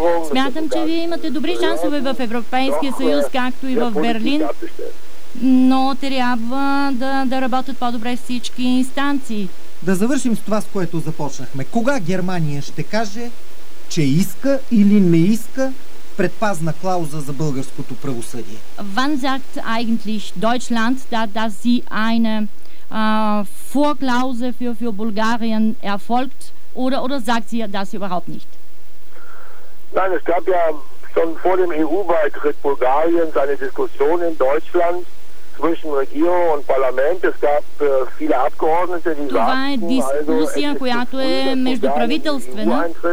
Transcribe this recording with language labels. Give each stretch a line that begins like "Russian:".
Bulgarian: Смятам, че вие имате добри шансове в Европейския съюз, както и в Берлин, но трябва да работят по-добре всички инстанции. Да завършим с това, с което започнахме. Кога Германия ще каже, че иска или не иска предпазна клауза за българското правосъдие?
German: Wann sagt eigentlich Deutschland, dass sie eine Vorklausel für Bulgarien erfolgt, oder sagt sie das überhaupt nicht? Nein, es gab ja schon vor dem EU-Beitritt Bulgariens eine Diskussion in Deutschland zwischen Regierung und Parlament. Es gab viele Abgeordnete, die
Bulgarian: това е дискусия,
German: also,
Bulgarian: която е междуправителствена.